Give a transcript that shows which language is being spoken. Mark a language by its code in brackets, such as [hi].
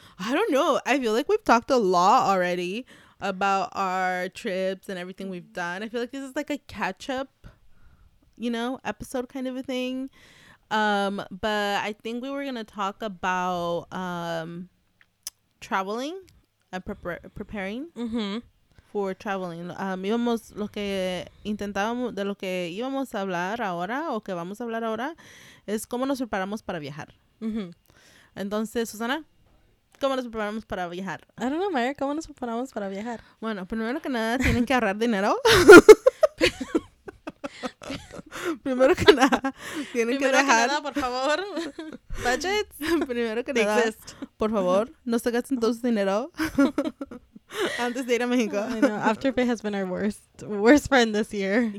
[en] I don't know, I feel like we've talked a lot already about our trips and everything we've done. I feel like this is like a catch-up, you know, episode kind of a thing. But I think we were going to talk about traveling and preparing for traveling. [es] Lo que intentábamos, de lo que íbamos a hablar ahora o que vamos a hablar ahora es cómo nos preparamos para viajar. Mm-hmm. Entonces, Susana, ¿cómo nos preparamos para viajar? [en] I don't know, [es] Maya. ¿Cómo nos preparamos para viajar? Bueno, primero que nada, tienen que ahorrar dinero. Primero que nada, por favor. Budget. Primero que nada, por favor, no se gasten todo su dinero antes de ir a México. [en] I know. Afterpay has been our worst friend this year.